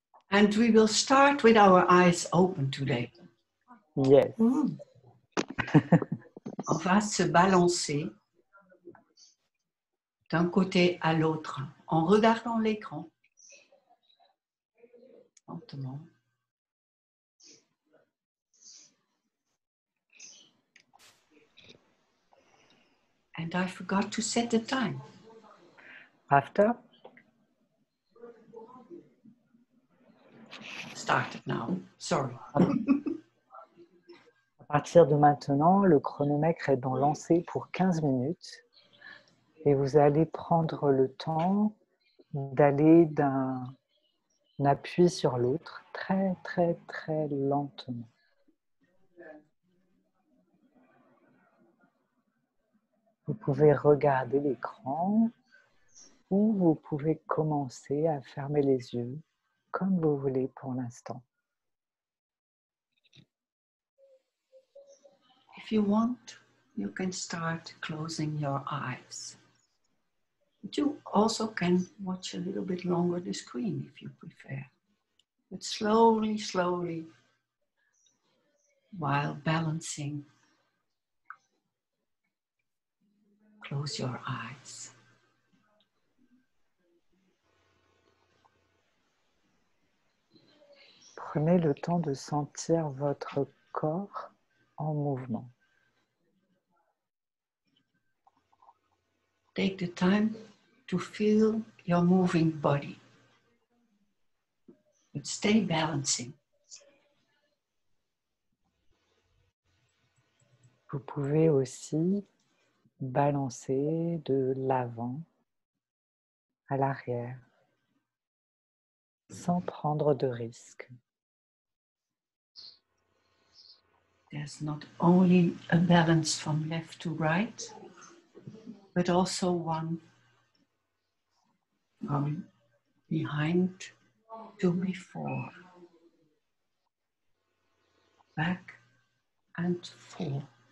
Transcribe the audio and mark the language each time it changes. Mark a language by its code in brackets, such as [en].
[en] And we will start with our eyes open today. Yes. Mm. [fr] On va se balancer d'un côté à l'autre en regardant l'écran. Lentement. [en] And I forgot to set the time. After? Started now. Sorry. [fr] À partir de maintenant, le chronomètre est donc lancé pour 15 minutes. Et vous allez prendre le temps d'aller d'un appui sur l'autre très, très, très lentement. Vous pouvez regarder l'écran ou vous pouvez commencer à fermer les yeux comme vous voulez pour l'instant. [en] If you want, you can start closing your eyes. But you also can watch a little bit longer the screen if you prefer. But slowly, slowly, while balancing, close your eyes. [fr] Prenez le temps de sentir votre corps en mouvement. [en] Take the time to feel your moving body. But stay balancing. [fr] Vous pouvez aussi balancer de l'avant à l'arrière sans prendre de risques. [en] There's not only a balance from left to right, but also one from behind to before, back and forth.